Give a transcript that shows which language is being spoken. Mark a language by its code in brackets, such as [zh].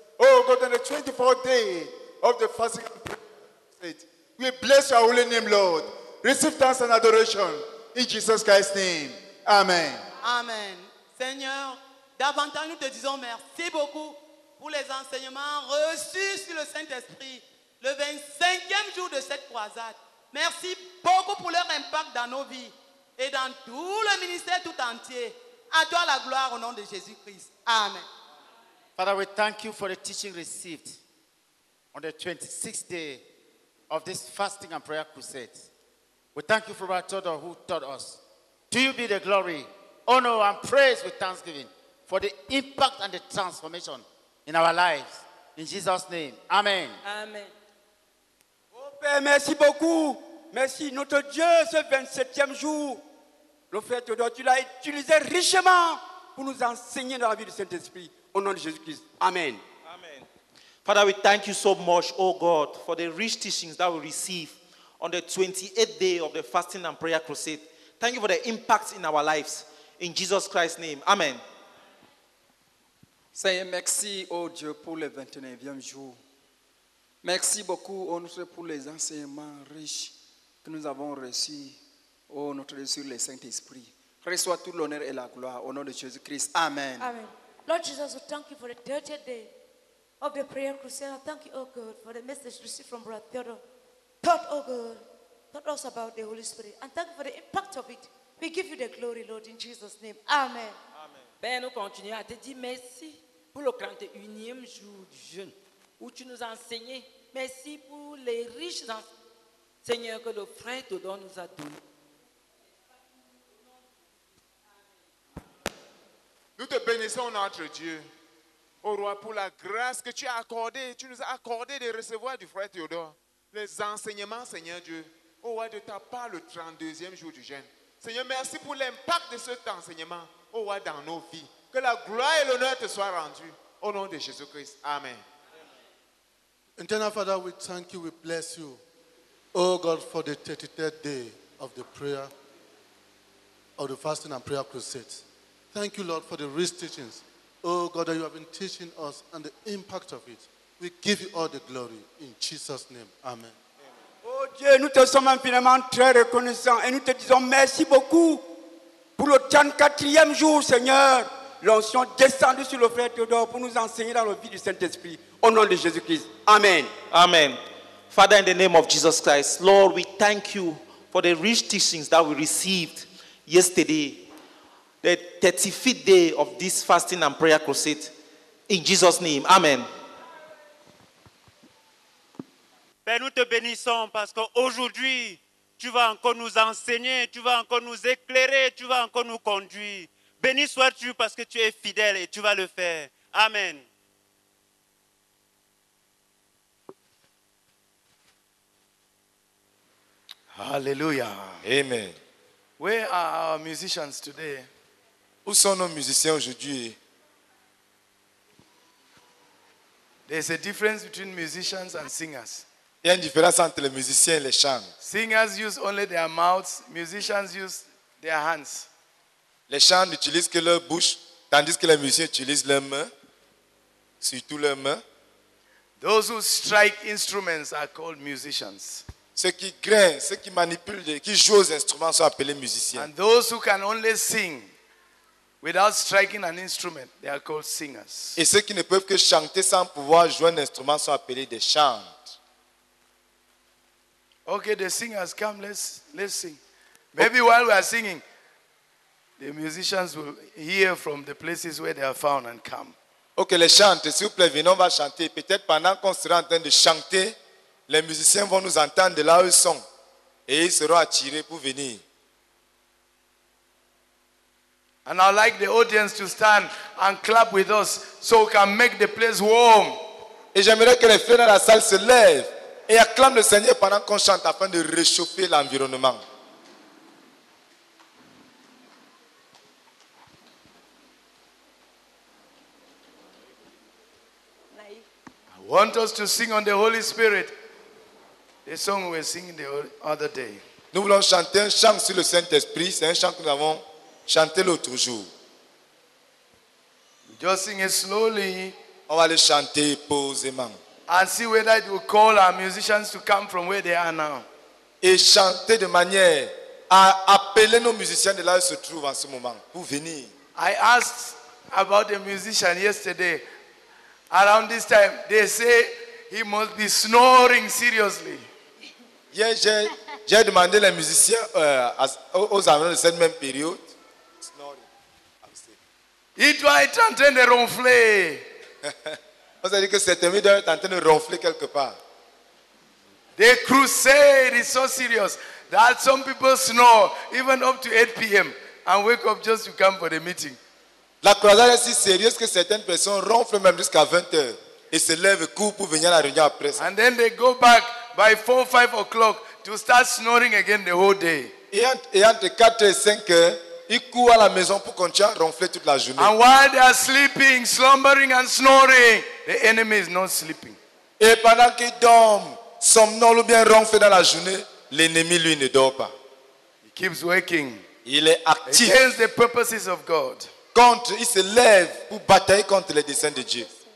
[en] Oh God, on the 24th day of the fasting and prayer, we bless your holy name, Lord. Receive thanks and adoration in Jesus Christ's name. Amen. Amen. [fr] Seigneur, davantage nous te disons merci beaucoup pour les enseignements reçus sur le Saint-Esprit le 25e jour de cette croisade. Merci beaucoup pour leur impact dans nos vies et dans tout le ministère tout entier. À toi la gloire au nom de Jésus-Christ. Amen. [en] Father, we thank you for the teaching received on the 26th day of this fasting and prayer crusade. We thank you for our daughter who taught us. To you be the glory, honor, and praise with thanksgiving for the impact and the transformation in our lives. In Jesus' name, amen. Amen. [fr] Oh Père, merci beaucoup. Merci, notre Dieu, ce 27e jour. Le frère Théodore, tu l'as utilisé richement pour nous enseigner dans la vie du Saint-Esprit. Au nom de Jésus-Christ. Amen. Amen. [en] Father, we thank you so much, oh God, for the rich teachings that we receive on the 28th day of the Fasting and Prayer Crusade. Thank you for the impact in our lives. In Jesus Christ's name. Amen. [fr] Seigneur, merci, oh Dieu, pour le 29e jour. Merci beaucoup, oh notre Dieu, pour les enseignements riches que nous avons reçus. Oh notre Dieu, sur le Saint-Esprit. Reçois tout l'honneur et la gloire au nom de Jésus-Christ. Amen. [en] Amen. Lord Jesus, we thank you for the 30th day of the prayer crusade. Thank you, oh God, for the message received from Brother Theodore. Thought, oh God, thought us about the Holy Spirit. And thank you for the impact of it. We give you the glory, Lord, in Jesus' name. Amen. Amen. [fr] Ben, nous continuons à te dire merci pour le 31e jour du jeûne où tu nous as enseigné. Merci pour les riches enseignements que le frère Théodore nous a donnés. Nous te bénissons, notre Dieu, au roi, pour la grâce que tu as accordée, tu nous as accordé de recevoir du frère Théodore les enseignements, Seigneur Dieu, au roi, de ta part, le 32e jour du jeûne. Seigneur, merci pour l'impact de cet enseignement, au roi, dans nos vies. Que la gloire et l'honneur te soient rendus, au nom de Jésus-Christ. Amen. [en] Eternal Father, we thank you, we bless you, oh God, for the 33rd day of the prayer, of the fasting and prayer crusade. Thank you, Lord, for the rich teachings. Oh, God, that you have been teaching us and the impact of it. We give you all the glory in Jesus' name. Amen. [fr] Oh, Dieu, nous te sommes infiniment très reconnaissants et nous te disons merci beaucoup pour le 34e jour, Seigneur. L'onction descendue sur le frère Théodore pour nous enseigner dans la vie du Saint-Esprit. Au nom de Jésus-Christ. Amen. Amen. [en] Father, in the name of Jesus Christ, Lord, we thank you for the rich teachings that we received yesterday. The 35th day of this fasting and prayer crusade. In Jesus' name, amen. [fr] Père, nous te bénissons parce qu'aujourd'hui, tu vas encore nous enseigner, tu vas encore nous éclairer, tu vas encore nous conduire. Béni sois-tu parce que tu es fidèle et tu vas le faire. Amen. Alléluia. Amen. [en] Where are our musicians today? [fr] Où sont nos musiciens aujourd'hui? [en] There's a difference between musicians and singers. [fr] Il y a une différence entre les musiciens et les chants. [en] Singers use only their mouths, musicians use their hands. [fr] Les chants n'utilisent que leur bouche, tandis que les musiciens utilisent leurs mains, surtout leurs mains. [en] Those who strike instruments are called musicians. [fr] Ceux qui grincent, ceux qui manipulent, qui jouent aux instruments sont appelés musiciens. [en] And those who can only sing without striking an instrument, they are called singers. [fr] Et ceux qui ne peuvent que chanter sans pouvoir jouer un instrument sont appelés des chants. [en] Okay, the singers, come, let's sing. Maybe while we are singing, the musicians will hear from the places where they are found and come. [fr] Okay, les chants, s'il vous plaît, venez, on va chanter. Peut-être pendant qu'on sera en train de chanter, les musiciens vont nous entendre de là où ils sont. Et ils seront attirés pour venir. [en] And I'd like the audience to stand and clap with us so we can make the place warm. [fr] Et j'aimerais que les frères dans la salle se lèvent et acclament le Seigneur pendant qu'on chante afin de réchauffer l'environnement. [en] I want us to sing on the Holy Spirit, the song we were singing the other day. [fr] Nous voulons chanter un chant sur le Saint-Esprit. C'est un chant que nous avons chantez l'autre jour. [en] Just sing it slowly. [fr] On va le chanter posément. [en] And see whether it will call our musicians to come from where they are now. [fr] Et chanter de manière à appeler nos musiciens de là où ils se trouvent en ce moment pour venir. [en] I asked about a musician yesterday. Around this time, they say he must be snoring seriously. [fr] Hier, j'ai demandé les musiciens aux environs de cette même période. Il doit être en train de ronfler. Vous avez dit que cet ami doit être en train de ronfler quelque part. [en] The crusade is so serious that some people snore even up to 8 p.m. and wake up just to come for the meeting. [fr] La croisade est si sérieuse que certaines personnes ronflent même jusqu'à 20 heures et se lèvent et courent pour venir à la réunion après ça. [en] And then they go back by 4 or 5 o'clock to start snoring again the whole day. [fr] Et entre 4 et 5 heures, ils courent à la maison pour qu'on tient ronfler toute la journée. [en] And while they are sleeping, slumbering and snoring, the enemy is not sleeping. [fr] Et pendant qu'ils dorment, somnolent ou bien ronflent dans la journée, l'ennemi lui ne dort pas. [en] He keeps waking. [fr] Il est actif. [en] Against the purposes of God. [fr] Contre, il se lève pour batailler contre les desseins de Dieu.